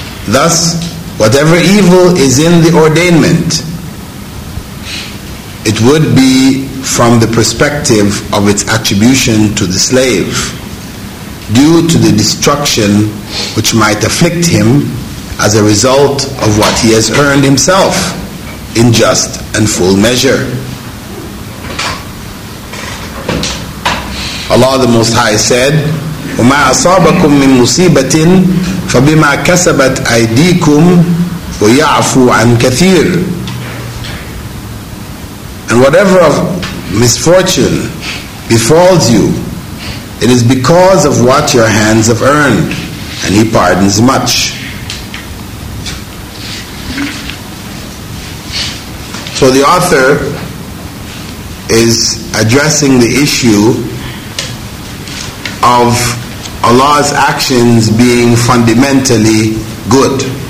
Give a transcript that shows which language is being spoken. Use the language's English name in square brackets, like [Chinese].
[English] Thus, whatever evil is in the ordainment, it would be from the perspective of its attribution to the slave, due to the destruction which might afflict him as a result of what he has earned himself in just and full measure. Allah the Most High said, [Arabic] وَمَا أَصَابَكُم مِّن مُّصِيبَةٍ فَبِمَا كَسَبَتْ أَيْدِيكُمْ وَيَعْفُو عَن كَثِيرٍ. [English] And whatever of misfortune befalls you, it is because of what your hands have earned, and He pardons much. So the author is addressing the issue of Allah's actions being fundamentally good.